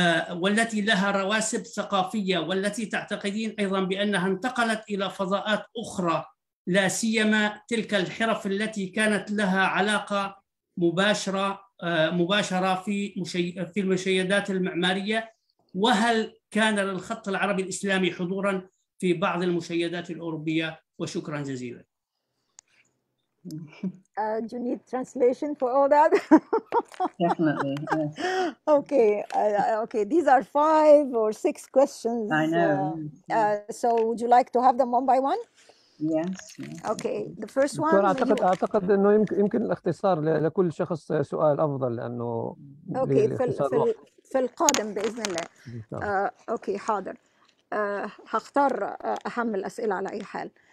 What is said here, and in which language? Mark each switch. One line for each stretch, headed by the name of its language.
Arabic: والتي لها رواسب ثقافية والتي تعتقدين أيضا بأنها انتقلت إلى فضاءات أخرى، لا سيما تلك الحرف التي كانت لها علاقة مباشرة في المشيدات المعمارية؟ وهل كان للخط العربي الإسلامي حضورا في بعض المشيدات الأوروبية؟ وشكرا جزيلا.
English: Do you need translation for all that? Definitely. Yes. Okay. Okay. These are five or six questions. I know. So, would you like to have them one by one? Yes. Okay. The first one. Doctor,
Arabic: أعتقد
English: you...
Arabic: أعتقد إنه يمكن الاختصار لكل شخص سؤال أفضل لأنه. Okay. في القادم بإذن الله. Okay. حاضر. هختار أهم الأسئلة على أي حال.